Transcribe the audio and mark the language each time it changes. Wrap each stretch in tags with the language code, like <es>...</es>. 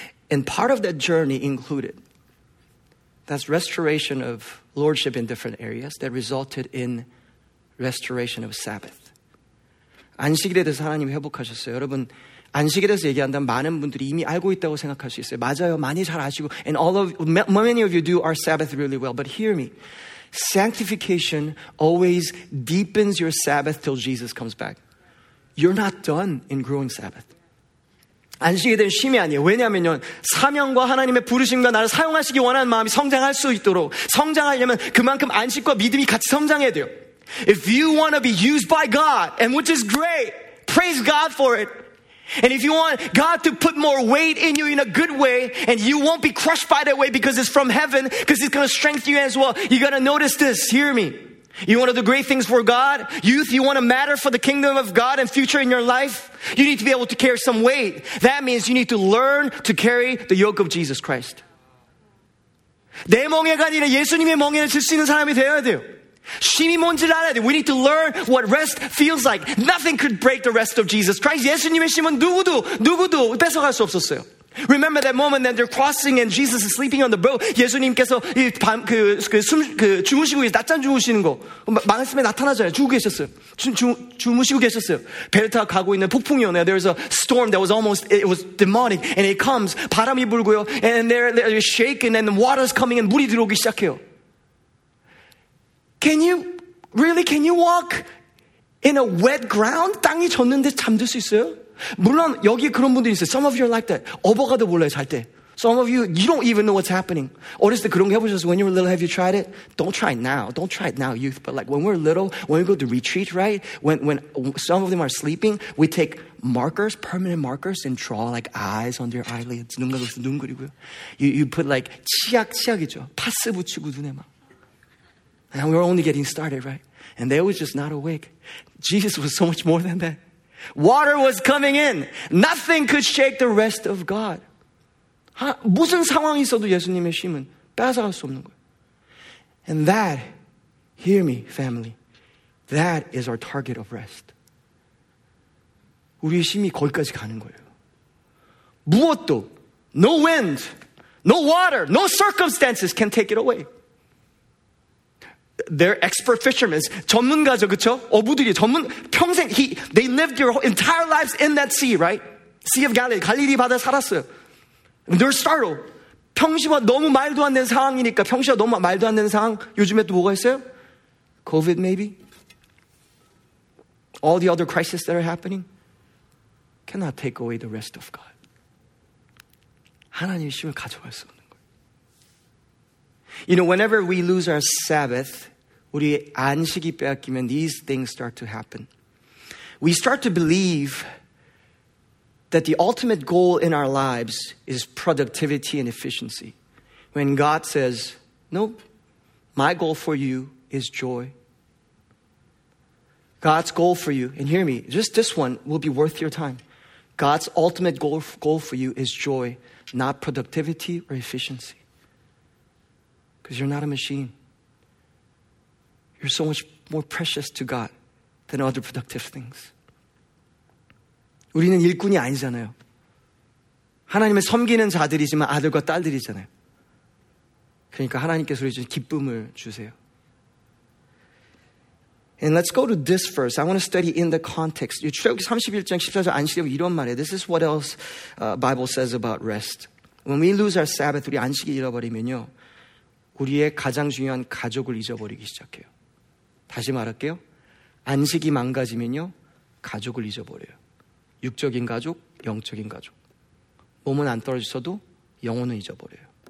<en>And part of that journey included that's restoration of lordship in different areas that resulted in restoration of Sabbath.</en> <ko>안식일에 대해서 하나님이 회복하셨어요. 여러분, 안식일에 대해서 얘기한다면 많은 분들이 이미 알고 있다고 생각할 수 있어요. 맞아요. 많이 잘 아시고.</ko> <en>And all of, many of you do our Sabbath really well. But hear me. Sanctification always deepens your Sabbath till Jesus comes back. You're not done in growing Sabbath.</en> <ko>안식일은 쉼이 아니에요. 왜냐하면요, 사명과 하나님의 부르심과 나를 사용하시기 원하는 마음이 성장할 수 있도록 성장하려면 그만큼 안식과 믿음이 같이 성장해야 돼요.</ko> <en>If you want to be used by God, and which is great, praise God for it. And if you want God to put more weight in you in a good way, and you won't be crushed by that way because it's from heaven, because it's going to strengthen you as well, you got to notice this, hear me. You want to do great things for God? Youth, you want to matter for the kingdom of God and future in your life? You need to be able to carry some weight. That means you need to learn to carry the yoke of Jesus Christ.</en> <ko>내 멍에가 아니라 예수님의 멍에를 질 수 있는 사람이 되어야 돼요. 쉼이 뭔지 알아야 돼요.</ko> <en>We need to learn what rest feels like. Nothing could break the rest of Jesus Christ.</en> <ko>예수님의 쉼은 누구도 뺏어갈 수 없었어요.</ko> <en>Remember that moment that they're crossing and Jesus is sleeping on the boat.</en> <ko>예수님께서 이 밤 주무시고 낮잠 주무시는 거 말씀에 나타나잖아요. 주고 계셨어요. 주무시고 계셨어요. 배를 타고 가고 있는 폭풍이 오네요.</ko> <en>There's a storm that was almost it was demonic and it comes.</en> <ko>바람이 불고요.</ko> <en>And they're shaken and the water's coming and</en> <ko>물이 들어오기 시작해요.</ko> <en>Can you walk in a wet ground?</en> <ko>땅이 젖는데 잠들 수 있어요? 물론 여기 그런 분들이 있어요.</ko> <en>Some of you are like that.</en> <ko>어버가도 몰라요, 잘 때.</ko> <en>Some of you, you don't even know what's happening.</en> <ko>어렸을 때 그런 거 해보셨어요?</ko> <en>When you were little, have you tried it? Don't try it now. Don't try it now, youth. But like when we're little, when we go to retreat, right? When some of them are sleeping, we take markers, permanent markers, and draw like eyes on their eyelids.</en> <ko>눈 감고서 눈 그리고요.</ko> <en>You put like</en> <ko>치약이죠. 파스 붙이고 눈에 막.</ko> <en>And we were only getting started, right? And they was just not awake. Jesus was so much more than that. Water was coming in. Nothing could shake the rest of God.</en> <ko>무슨 상황이 있어도 예수님의 쉼은 빼앗아갈 수 없는 거예요.</ko> <en>And that, hear me, family, that is our target of rest.</en> <ko>우리의 쉼이 거기까지 가는 거예요. 무엇도,</ko> <en>no wind, no water, no circumstances can take it away. They're expert fishermen.</en> <ko>전문가죠, 그쵸? 어부들이 전문, 평생,</ko> <en>they lived their entire lives in that sea, right?</en> <ko>Sea of Galilee. 갈릴리 바다 살았어요.</ko> <en>They're startled.</en> <ko>평시와 너무 말도 안 되는 상황이니까, 평시와 너무 말도 안 되는 상황, 요즘에 또 뭐가 있어요?</ko> <en>COVID, maybe? All the other crises that are happening cannot take away the rest of God.</en> <ko>하나님의 쉼을 가져갈 수 없는.</ko> <en>You know, whenever we lose our Sabbath,</en> <ko>우리 안식이 빼앗기면</ko> <en>these things start to happen. We start to believe that the ultimate goal in our lives is productivity and efficiency. When God says, nope, my goal for you is joy. God's goal for you, and hear me, just this one will be worth your time. God's ultimate goal for you is joy, not productivity or efficiency. Because you're not a machine. You're so much more precious to God than other productive things.</en> <ko>우리는 일꾼이 아니잖아요. 하나님의 섬기는 자들이지만 아들과 딸들이잖아요. 그러니까 하나님께서 우리에게 기쁨을 주세요.</ko> <en>And let's go to this verse. I want to study in the context.</en> <ko>출애굽기 31장 14절 안식일 이런 말이에요.</ko> <en>This is what else Bible says about rest. When we lose our Sabbath,</en> <ko>우리 안식일 잃어버리면요. 우리의 가장 중요한 가족을 잊어버리기 시작해요. 다시 말할게요. 안식이 망가지면요. 가족을 잊어버려요. 육적인 가족, 영적인 가족. 몸은 안 떨어져서도 영혼은 잊어버려요.</ko>